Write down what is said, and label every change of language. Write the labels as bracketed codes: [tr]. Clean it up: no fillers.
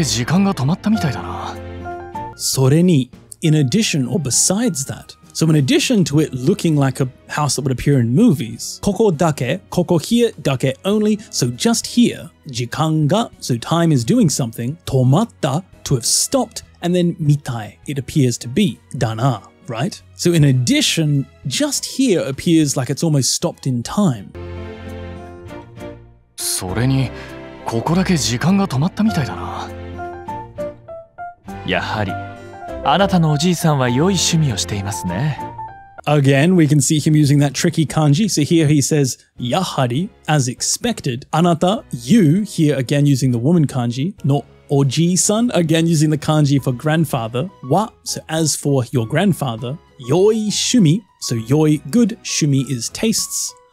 [ja] それに、ここだけ時間が止まったみたいだな。それに、 [en] in addition or besides that, so in addition to it looking like a house that would appear in movies, ここだけ, ここ here, だけ only, so just here, 時間が, so time is doing something, 止まった, to have stopped, and then 見たい, it appears to be, だな, right? So in addition, just here appears like it's almost stopped in time. [ja] それにここだけ時間が止まったみたいだな。やはりあなたのおじいさんは良い趣味をしていますね。 [en] Again, we can see him using that tricky kanji. So here he says, yahari, as expected. Anata, you, here again using the woman kanji. No, oji-san, again using the kanji for grandfather. Wa, so as for your grandfather. Yoi shumi, so yoi, good, shumi is tastes.